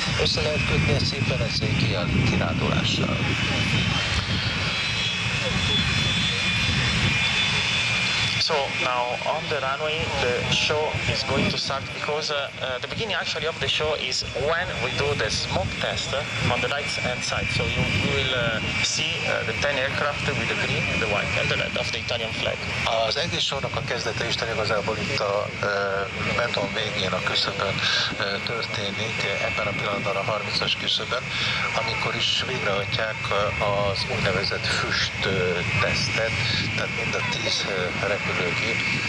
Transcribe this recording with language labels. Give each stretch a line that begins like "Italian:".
Hungarian: Össze lehet kötni egy szép velencei kirándulással.
English: So now on the runway the show is going to start because the beginning actually of the show is when we do the smoke test on the right hand side. So you will see the 10 aircraft with the green, the white and the red of the Italian flag.
Hungarian: Az egész show-nak a kezdete is igazából itt a beton végén a küszöbön történik, ebben a pillanatban a 30-as küszöbön, amikor is végrehajtják az úgynevezett füst tesztet, tehát mind a 10 repülőgép